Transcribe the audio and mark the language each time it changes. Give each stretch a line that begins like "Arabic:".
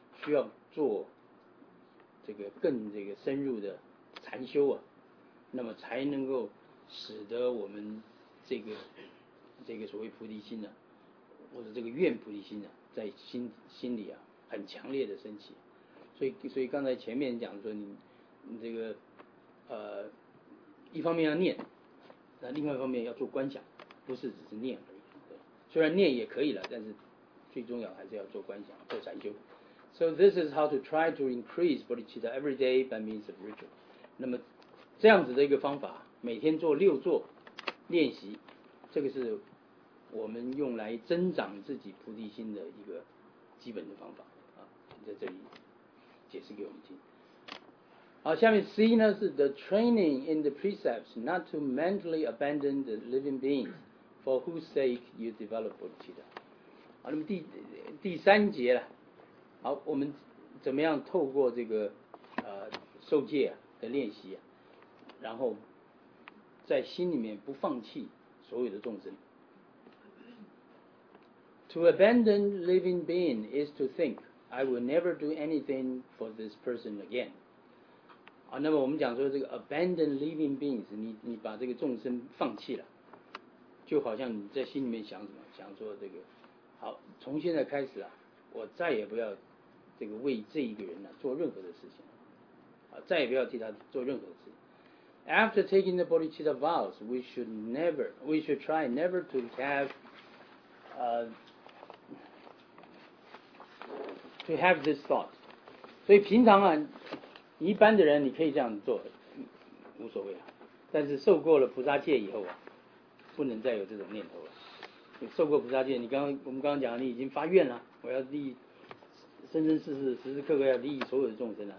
Chinese: 需要做这个更这个深入的禅修啊，那么才能够使得我们这个这个所谓菩提心呢、啊，或者这个愿菩提心呢、啊，在心里啊很强烈的升起。所以刚才前面讲说你这个一方面要念，那另外一方面要做观想，不是只是念而已。虽然念也可以了，但是最重要还是要做观想，做禅修。
English: So this is how to try to increase bodhicitta every day by means of ritual.
Chinese: 那么这样子的一个方法，每天做六座练习，这个是我们用来增长自己菩提心的一个基本的方法啊，在这里解释给我们听。好，下面 C 呢是
English: the training in the precepts not to mentally abandon the living beings for whose sake you develop bodhicitta。
Chinese: 好，那么第三节了。好，我们怎么样透过这个受戒、啊、的练习、啊，然后在心里面不放弃所有的众生。
English: To abandon living being is to think I will never do anything for this person again。
Chinese: 好，那么我们讲说这个
English: abandon living beings，
Chinese: 你把这个众生放弃了，就好像你在心里面想什么，想说这个。好，从现在开始啊，我再也不要这个为这一个人呢、啊、做任何的事情，啊，再也不要替他做任何的事情。
English: After taking the bodhicitta vows, we should try never to have this thought.
Chinese: 所以平常啊，一般的人你可以这样做，无所谓啊。但是受过了菩萨戒以后啊，不能再有这种念头了。受过菩萨戒，我们刚刚讲，你已经发愿了，我要利益生生世世时时刻刻要利益所有的众生了。